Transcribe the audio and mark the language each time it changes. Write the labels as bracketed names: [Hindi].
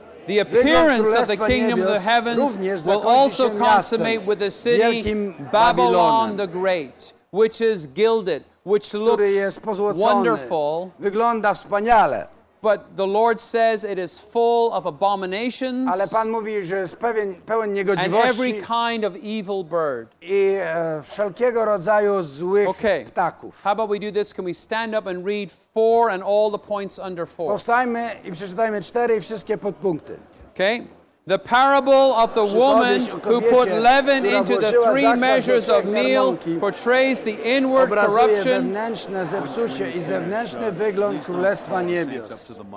[English] The appearance of the kingdom of the heavens will also consummate with a city, Babylon the Great, which is gilded, which looks wonderful. [Polish] Wygląda wspaniale. [English] But the Lord says it is full of abominations. [Polish] Ale Pan mówi, że jest pełen niegodziwości. [English] And every kind of evil bird. [Polish] I wszelkiego rodzaju złych ptaków. [English] How about we do this? Can we stand up and read four and all the points under four? [Polish] Powstajmy i przeczytajmy cztery i wszystkie podpunkty. [English] Okay. The parable of the woman who put leaven into the three measures of meal portrays the inward corruption. [Polish] Wewnętrzne zepsucie i zewnętrzny wygląd Królestwa Niebios.